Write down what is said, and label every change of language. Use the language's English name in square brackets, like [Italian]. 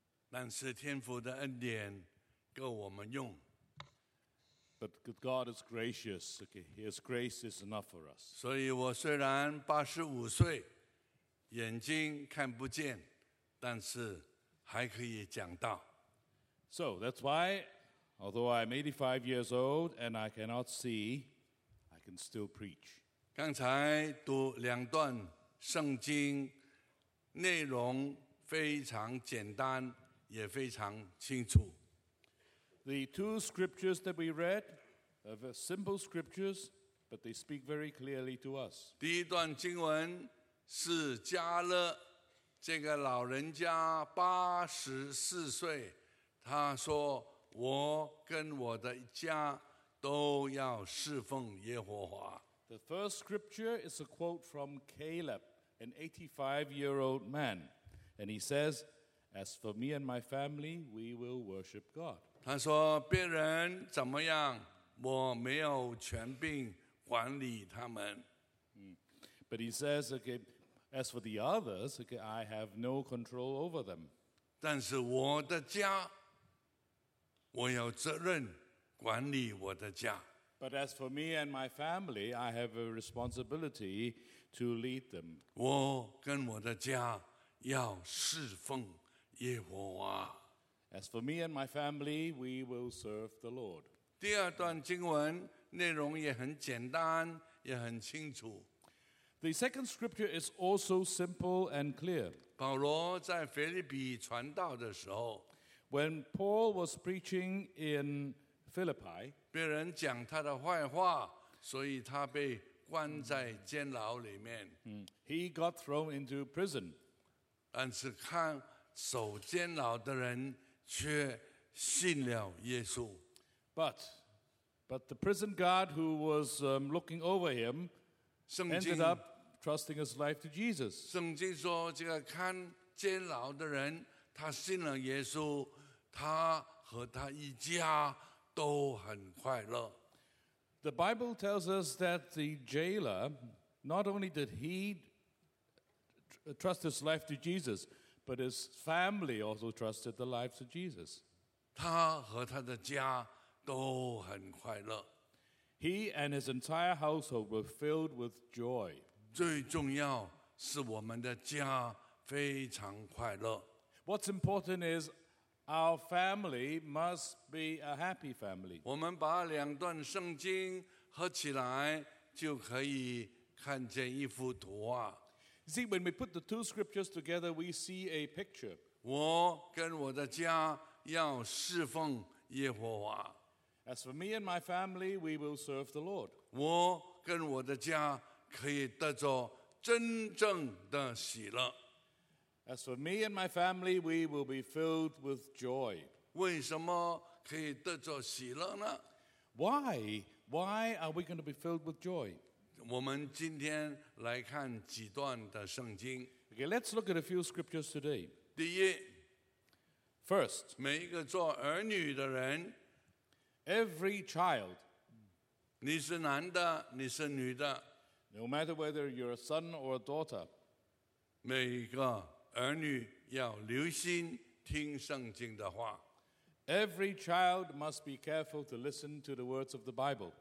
[Chinese] 但是天父的恩典够我们用。 [English] But God is gracious. Okay, His grace is enough for us. [Chinese] 所以我虽然85岁，眼睛看不见，但是还可以讲道。 [English] So that's why, although I'm 85 years old and I cannot see, I can still preach. [Chinese] 刚才读两段圣经，内容非常简单，也非常清楚。 [English] The two scriptures that we read are simple scriptures, but they speak very clearly to us. [Chinese] 第一段经文是加勒这个老人家84岁，他说：“我跟我的家都要侍奉耶和华。” [English] The first scripture is a quote from Caleb, an 85-year-old man, and he says, "As for me and my family, we will worship God." [Chinese] 他说：“别人怎么样，我没有权柄管理他们。” [English] But he says, "Okay, as for the others, okay, I have no control over them." [Chinese] 但是我的家，我有责任管理我的家。 [English] But as for me and my family, I have a responsibility to lead them. [Chinese] 我跟我的家要侍奉耶和华。 [English] As for me and my family, we will serve the Lord. [Chinese] 第二段经文内容也很简单，也很清楚。 [English] The second scripture is also simple and clear. [Chinese] 保罗在腓立比传道的时候， [English] When Paul was preaching in Philippi, [Chinese] 别人讲他的坏话，所以他被关在监牢里面。 [English] He got thrown into prison. [Chinese] 但是看守监牢的人却信了耶稣。 [English] But the prison guard who was looking over him ended up trusting his life to Jesus. [Chinese] 圣经说，这个看监牢的人，他信了耶稣，他和他一家都很快乐。 [English] The Bible tells us that the jailer, not only did he trust his life to Jesus, but his family also trusted the lives of Jesus. [Chinese] 他和他的家都很快乐。 [English] He and his entire household were filled with joy. [Chinese] 最重要是我们的家非常快乐。 [English] What's important is our family must be a happy family. [Chinese] 我们把两段圣经合起来就可以看见一幅图画。 [English] You see, when we put the two scriptures together, we see a picture. [Chinese] 我跟我的家要侍奉耶和华。 [English] As for me and my family, we will serve the Lord. [Chinese] 我跟我的家可以得着真正的喜乐。 [English] As for me and my family, we will be filled with joy. [Chinese] 为什么可以得着喜乐呢？ [English] Why are we going to be filled with joy? [Chinese] 我们今天来看几段的圣经。 [English] Okay, let's look at a few scriptures today. [Chinese] 第一， [English] First, [Chinese] 每一个做儿女的人， [English] Every child, [Chinese] 你是男的，你是女的， [English] No matter whether you're a son or a daughter, [Chinese] 每一个儿女要留心听圣经的话。 [English] Every child must be careful to listen to the words of the Bible.